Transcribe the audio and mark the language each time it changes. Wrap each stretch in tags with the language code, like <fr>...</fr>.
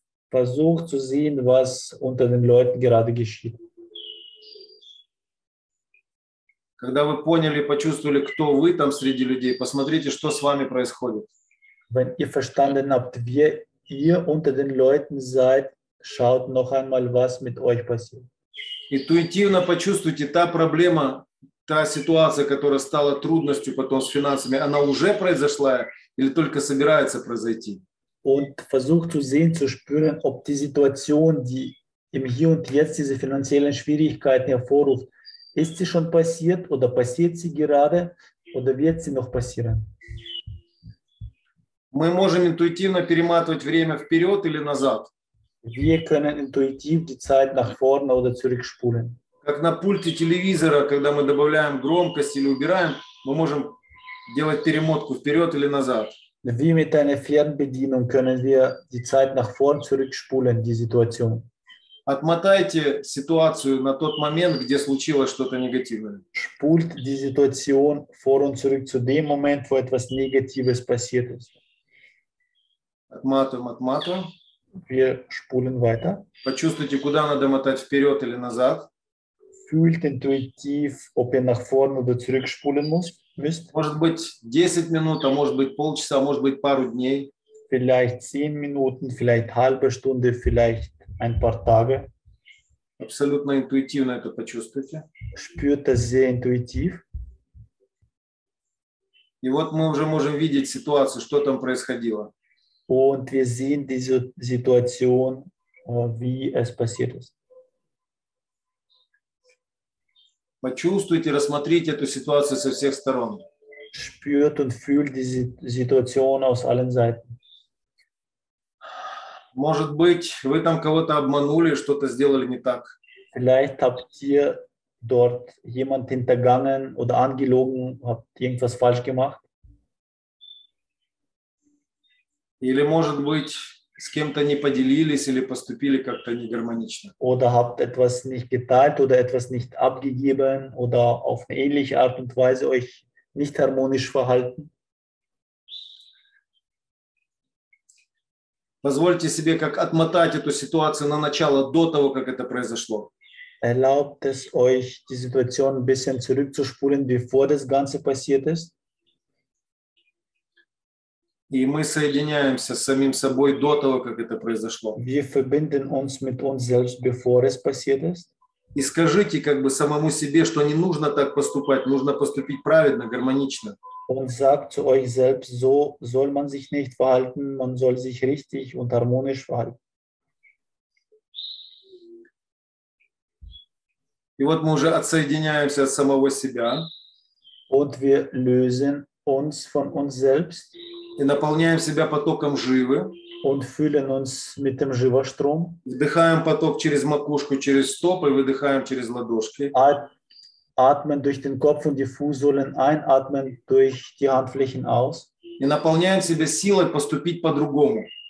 <de>Versucht zu sehen, was unter den Leuten gerade geschieht.</de> <ru>Когда вы поняли, почувствовали, кто вы там среди людей, посмотрите, что с вами происходит.</ru> <de>Wenn ihr verstanden habt, wer ihr unter den Leuten seid, schaut noch einmal, was mit euch passiert.</de> <ru>Интуитивно почувствуйте, та проблема, та ситуация, которая стала трудностью потом с финансами, она уже произошла или только собирается произойти?</ru> <de>Und versucht zu sehen, zu spüren, ob die Situation, die im Hier und Jetzt diese finanziellen Schwierigkeiten hervorruft, ist sie schon passiert oder passiert sie gerade oder wird sie noch passieren?</de> <ru>Мы можем интуитивно перематывать время вперед или назад.</ru> <de>Wir können intuitiv die Zeit nach vorne oder zurückspulen.</de> <ru>Как на пульте телевизора, когда мы добавляем громкость или убираем, мы можем делать перемотку вперед или назад.</ru> <de>Wie mit einer Fernbedienung können wir die Zeit nach vorne zurückspulen, die Situation.</de> <ru>Отмотайте ситуацию на тот момент, где случилось что-то негативное.</ru> <de>Spult die Situation vor und zurück zu dem Moment, wo etwas Negatives passiert ist.</de> <ru>Отматываем, отматываем.</ru> <de>Wir spulen weiter.</de> <ru>Почувствуйте, куда надо мотать, вперед или назад.</ru> <de>Fühlt intuitiv, ob ihr nach vorne oder zurückspulen müsst.</de> <ru>Может быть, 10 минут, а может быть, полчаса, может быть, пару дней.</ru> <de>Vielleicht 10 Minuten, vielleicht halbe Stunde, vielleicht ein paar Tage.</de> <ru>Абсолютно интуитивно это почувствуйте.</ru> <de>Spürt das sehr intuitiv.</de> <ru>И вот мы уже можем видеть ситуацию, что там происходило.</ru> <de>Und wir sehen diese Situation, wie es passiert ist.</de> <ru>Почувствуйте, рассмотрите эту ситуацию со всех сторон.</ru> <de>Spürt und fühlt diese Situation aus allen Seiten.</de> <ru>Может быть, вы там кого-то обманули, что-то сделали не так.</ru> <de>Vielleicht habt ihr dort jemand hintergangen oder angelogen, habt irgendwas falsch gemacht.</de> <ru>Или, может быть, с кем-то не поделились или поступили как-то негармонично.</ru> <de>Oder habt etwas nicht geteilt oder etwas nicht abgegeben oder auf eine ähnliche Art und Weise euch nicht harmonisch verhalten.</de> <ru>Позвольте себе как отмотать эту ситуацию на начало, до того, как это произошло.</ru> <de>Erlaubt es euch, die Situation ein bisschen zurückzuspulen, bevor das Ganze passiert ist.</de> <ru>И мы соединяемся с самим собой до того, как это произошло.</ru> <de>Wir verbinden uns mit uns selbst, bevor es passiert ist.</de> <ru>И скажите как бы самому себе, что не нужно так поступать, нужно поступить правильно, гармонично.</ru> <de>Und sagt zu euch selbst, so soll man sich nicht verhalten, man soll sich richtig und harmonisch verhalten.</de> <ru>И вот мы уже отсоединяемся от самого себя.</ru> <de>Und wir lösen uns von uns selbst.</de> <ru>И наполняем себя потоком живы.</ru> <de>Und füllen uns mit dem Живострom.</de> <ru>Вдыхаем поток через макушку, через стопы, выдыхаем через ладошки.</ru> <de>Atmen durch den Kopf und die Fußsohlen ein, atmen durch die Handflächen aus.</de> <ru>И наполняем себя силой поступить по-другому.</ru>